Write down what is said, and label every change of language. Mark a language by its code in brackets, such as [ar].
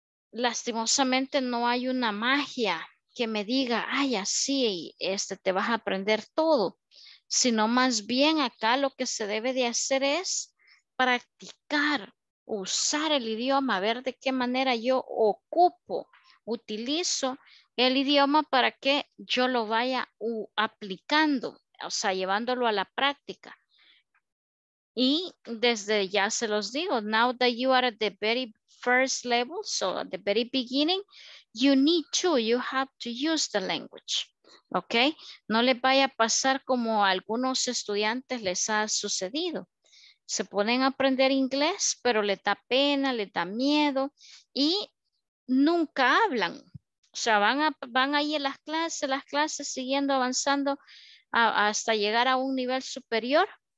[es] Lastimosamente no hay una magia que me diga, ay, así te vas a aprender todo, sino más bien acá lo que se debe de hacer es practicar, usar el idioma, ver de qué manera yo ocupo, utilizo el idioma para que yo lo vaya aplicando, o sea, llevándolo a la práctica. Y desde ya se los digo, [en] now that you are at the very first level, so at the very beginning, you have to use the language. [es] Ok, no les vaya a pasar como a algunos estudiantes les ha sucedido. Se ponen a aprender inglés, pero les da pena, les da miedo y nunca hablan. O sea, van ahí en las clases siguiendo avanzando hasta llegar a un nivel superior.